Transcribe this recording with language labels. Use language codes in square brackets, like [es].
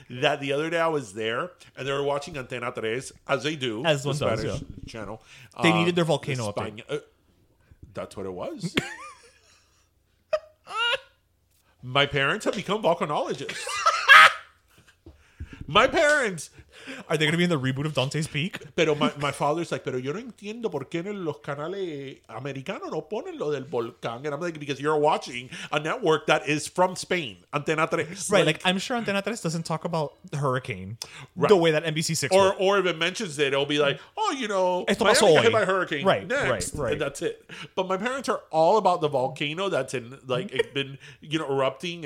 [en] That the other day I was there and they were watching Antena 3, as they do. As one the does, yeah. Channel. They needed their volcano the Spani- update. That's what it was. My parents have become volcanologists. My parents... Are they going to be in the reboot of Dante's Peak? Pero my father's like, [es] pero yo no entiendo por qué en los canales americanos no ponen lo del volcán. [en] And I'm like, because you're watching a network that is from Spain, Antena 3. Right, like I'm sure Antena 3 doesn't talk about the hurricane right. The way that NBC 6 or would. Or if it mentions it, it'll be like, oh, you know, [es] esto [en] Miami got hit by hurricane. Right, next. Right. And that's it. But my parents are all about the volcano that's in, like, it's been, you know, erupting.